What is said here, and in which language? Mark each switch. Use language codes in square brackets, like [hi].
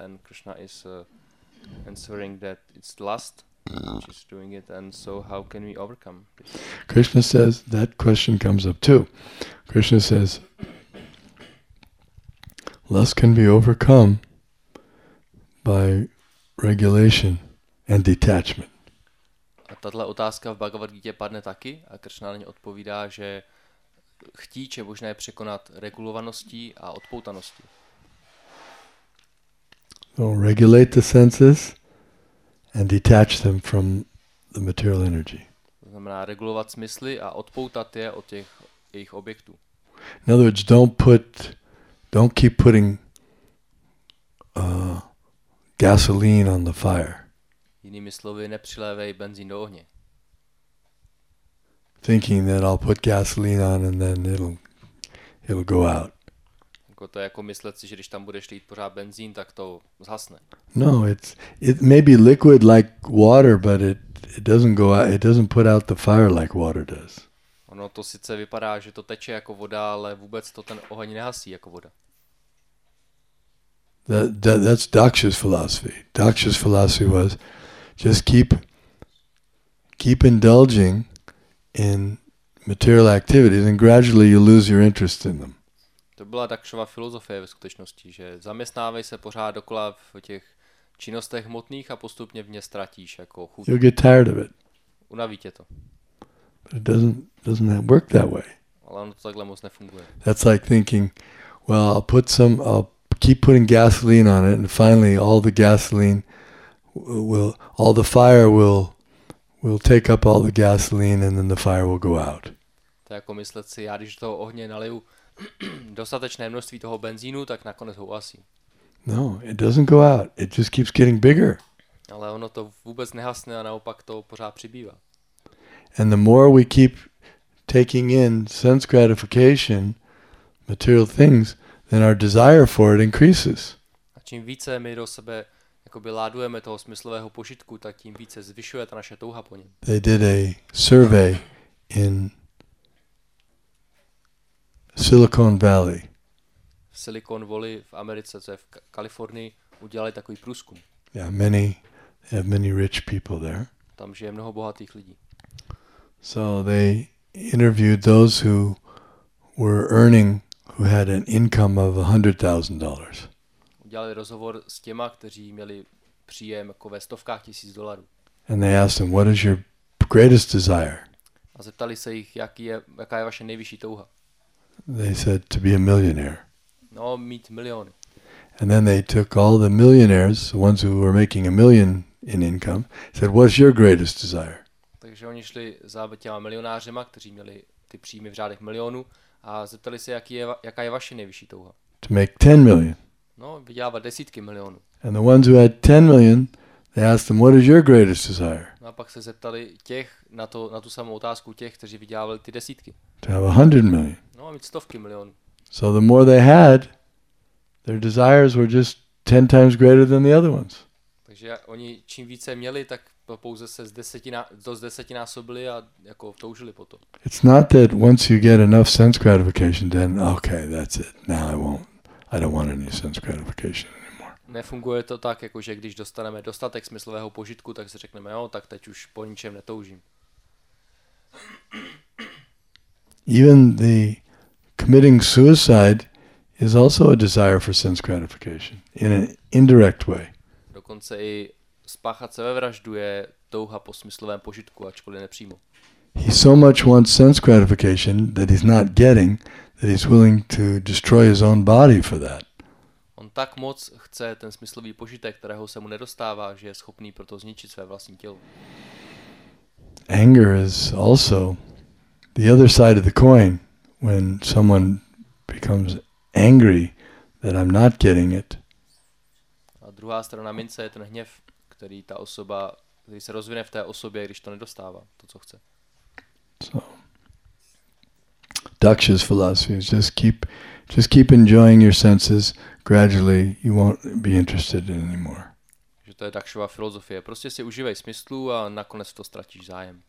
[en] And Krishna is answering that it's lust which is doing it. And so how can we overcome this? Krishna says, that question comes up too. Krishna says, lust can be overcome by regulation and detachment. [cs] A tato otázka v Bhagavad Gita padne taky a Krishna na ně odpovídá, že chtíč je možné překonat regulovaností a odpoutaností. [en] regulate the senses and detach them from the material energy. [cs] To znamená regulovat smysly a odpoutat je od těch jejich objektů. [en] In other words, don't keep putting gasoline on the fire. [cs] Jinými slovy, nepřilévej benzín do ohně. [en] Thinking that I'll put gasoline on and then it'll go out. [cs] Jako to je jako myslet si, že když tam budeš lít pořád benzín, tak to zhasne. [en] No, it may be liquid like water, but it doesn't go out, it doesn't put out the fire like water does. [cs] Ono to sice vypadá, že to teče jako voda, ale vůbec to ten oheň nehasí jako voda. [en] That's Daksha's philosophy. Daksha's philosophy was just keep indulging in material activities and gradually you lose your interest in them. [cs] To byla Dakšova filozofie ve skutečnosti, že zaměstnávej se pořád dokola v těch činnostech hmotných a postupně v ně ztratíš jako chuť. [en] You'll get tired of it. [cs] Unaví tě to. [en] But it doesn't work that way. [cs] Ale ono to takhle moc nefunguje. [en] That's like thinking, well, I'll keep putting gasoline on it and finally all the gasoline will, all the fire will take up all the gasoline and then the fire will go out. [cs] To je jako myslet si, já když toho ohně naliju dostatečné množství toho benzínu, tak nakonec ho uhasím. [en] No, it doesn't go out. It just keeps getting bigger. [cs] Ale ono to vůbec nehasne a naopak to pořád přibývá. [en] And the more we keep taking in sense gratification, material things, then our desire for it increases. [cs] A čím více my do sebe jakoby ládujeme toho smyslového požitku, tak tím více zvyšuje ta naše touha po něm. [en] They did a survey in Silicon Valley. [cs] V Silicon Valley v Americe, to je v Kalifornii, udělali takový průzkum. [en] Yeah, many have many rich people there. [cs] Tam žije mnoho bohatých lidí. [en] So they interviewed those who were earning, who had an income of $100,000. [cs] Udělali rozhovor s těma, kteří měli příjem jako ve stovkách tisíc dolarů. [en] And they asked them, what is your greatest desire? [cs] A zeptali se jich, jaká je vaše nejvyšší touha. [en] They said to be a millionaire. [cs] No, mít miliony. [en] And then they took all the millionaires, the ones who were making a million in income, said, what's your greatest desire? [cs] Takže oni šli za těma milionářema, kteří měli ty příjmy v řádech milionů, a zeptali se, jaká je vaše nejvyšší touha. [en] To make 10 million. [cs] No, vydělávat desítky milionů. [en] And the ones who had 10 million, they asked them, what is your greatest desire? [cs] No a pak se zeptali těch na tu samou otázku těch, kteří vydělávali ty desítky. [en] To have 100 million. [cs] No a mít stovky milionů. [en] So the more they had, their desires were just 10 times greater than the other ones. [cs] Takže oni čím více měli, tak to pouze se zdesetinásobili a jako toužili po to. [en] It's not that once you get enough sense gratification, then okay, that's it. Now I don't want any sense gratification anymore. [cs] Nefunguje to tak, jako že když dostaneme dostatek smyslového požitku, tak si řekneme, jo, tak teď už po ničem netoužím. [en] Even the committing suicide is also a desire for sense gratification in an indirect way. [cs] Dokonce i spáchat sebevraždu je touha po smyslovém požitku, ačkoliv nepřímo. [en] He so much wants sense gratification that he's not getting, that he's willing to destroy his own body for that. [cs] On tak moc chce ten smyslový požitek, kterého se mu nedostává, že je schopný proto zničit své vlastní tělo. [en] Anger is also the other side of the coin. When someone becomes angry that I'm not getting it. [cs] A druhá strana mince je ten hněv, který ta osoba, který se rozvine v té osobě, když to nedostává, to co chce. [en] So, Daksha's philosophy is just keep enjoying your senses. Gradually, you won't be interested in anymore. [cs] Že to je Dakšova filozofie. Prostě si užívej smyslu a nakonec to ztratíš zájem.